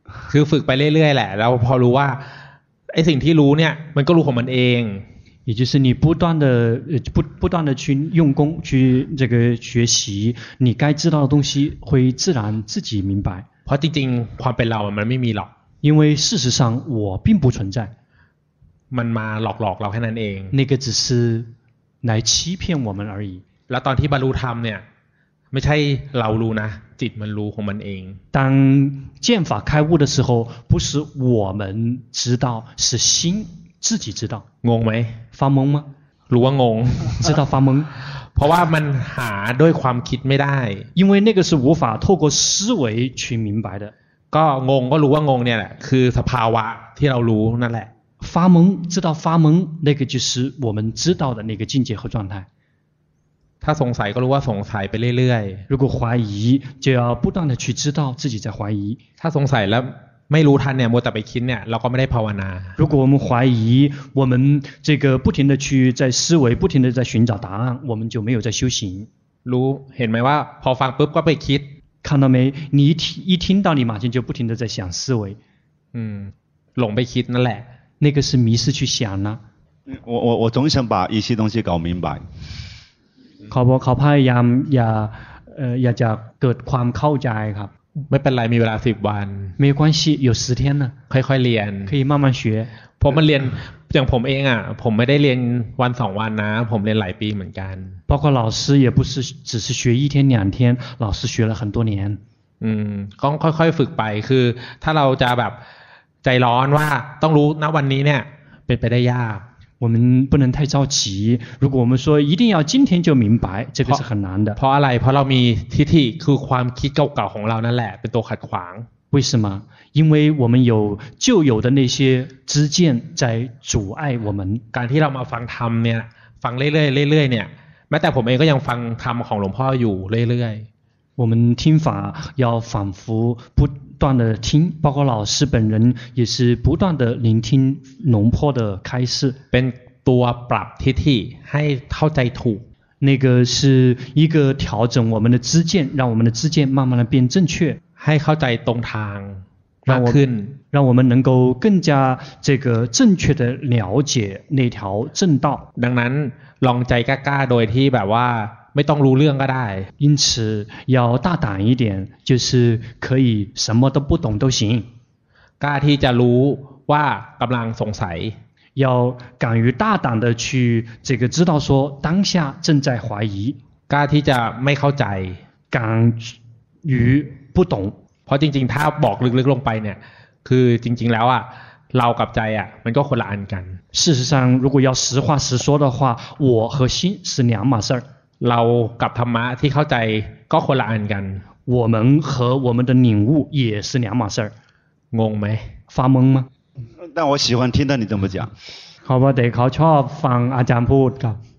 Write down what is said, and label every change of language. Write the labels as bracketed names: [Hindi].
[Thai] คือฝึกไปเรื่อยๆแหละแล้วพอรู้ว่าไอ้สิ่งที่รู้เนี่ยมันก็รู้ของมันเอง [Chinese] 也就是你不断的去用功去这个学习你该知道的东西会自然自己明白 [Thai] เพราะจริงๆความเป็นเรามันไม่มีหรอก [Chinese] 因为事实上我并不存在 [Thai] มันมาหลอกๆเราแค่นั้นเอง [Chinese] 那个只是来欺骗我们而已 [Thai] แล้วตอนที่บรรลุธรรมเนี่ยไม่ใช่เรารู้นะจิตมันรู้ของมันเอง [Chinese] 当剑法开悟的时候不是我们知道是心自己知道 [Thai] งงไหม [Chinese] 发懵吗 [Thai] รู้ว่างง [Chinese] 知道发懵 [Thai] เพราะว่ามันหาด้วยความคิดไม่ได้ [Chinese] 因为那个是无法透过思维去明白的 [Thai] ก็งงก็รู้ว่างงเนี่ยแหละคือสภาวะที่เรารู้นั่นแหละ [Chinese] 发懵知道发懵那个就是我们知道的那个境界和状态 [Thai] ถ้าสงสัยก็รู้ว่าสงสัยไปเรื่อย [Chinese] ๆ如果怀疑就要不断的去知道自己在怀疑 [Thai] ถ้าสงสัยแล้วไม่รู้ทันเนี่ยมัวแต่ไปคิดเนี่ยเราก็ไม่ได้ภาวนา [Chinese] 如果我们怀疑我们这个不停的去在思维不停的在寻找答案我们就没有在修行 [Thai] รู้เห็นไหมว่าพอฟังปุ๊บก็ไปคิด [Chinese] 看到没你一听到你马上就不停的在想思维 [Thai] หลงไปคิดนั่นแหละ [Chinese] 那个是迷失去想了我总想把一些东西搞明白 [Thai] เขาพยายามอยากจะเกิดความเข้าใจครับ ไม่เป็นไรมีเวลา10วัน [Chinese] 没关系有10天呢 [Thai] ค่อยๆเรียน [Chinese] 可以慢慢学 [Thai] ผมเรียนอย่างผมเองอ่ะผมไม่ได้เรียนวัน2วันนะผมเรียนหลายปีเหมือนกัน [Chinese] 包括老师也不是只是学一天两天老师学了很多年 [Thai] ก็ค่อยๆฝึกไปคือถ้าเราจะแบบใจร้อนว่าต้องรู้นะวันนี้เนี่ยเป็นไปได้ยาก [Chinese] 我们不能太着急如果我们说一定要今天就明白这个是很难的 [Thai] เพราะอะไรเพราะเรามีทิฏฐิคือความคิดเก่าๆของเรานั่นแหละเป็นตัวขัดขวาง [Chinese] 为什么？因为我们有旧有的那些知见在阻碍我们。 [Thai] การที่เรามาฟังธรรมเนี่ยฟังเรื่อยๆเรื่อยๆเนี่ยแม้แต่ผมเองก็ยังฟังธรรมของหลวงพ่ออยู่เรื่อย [Chinese] ๆ我们听法要反复不断的听包括老师本人也是不断的聆听หลวงพ่อ的开示 [Thai] เป็นตัวปรับทิฏฐิให้เข้าใจถูก [Chinese] 那个是一个调整我们的知见让我们的知见慢慢的变正确 [Thai] ให้เข้าใจตรงทางมากขึ้น [Chinese] 让我们能够更加这个正确的了解那条正道 [Thai] ดังนั้นลองใจกล้าๆโดยที่แบบว่าไม่ต้องรู้เรื่องก็ได้ [Chinese] 因此要大胆一点就是可以什么都不懂都行 [Thai] กล้าที่จะรู้ว่ากำลังสงสัย [Chinese] 要敢于大胆的去这个知道说当下正在怀疑 [Thai] กล้าที่จะไม่เข้าใจ [Chinese] 敢于不懂 [Thai] เพราะจริงๆถ้าบอกลึกๆลงไปเนี่ยคือจริงๆแล้วอ่ะเรากับใจอ่ะมันก็คนละอันกัน [Chinese] 事实上如果要实话实说的话我和心是两码事 [Thai] 儿เรากับธรรมะที่เข้าใจก็คนละอันกัน [Chinese] 我们和我们的领悟也是两码事儿 [Thai] งงไหม [Chinese] 发懵吗但我喜欢听到你这么讲好吧 [Thai] เดี๋ยวเขาชอบฟังอาจารย์พูดครับ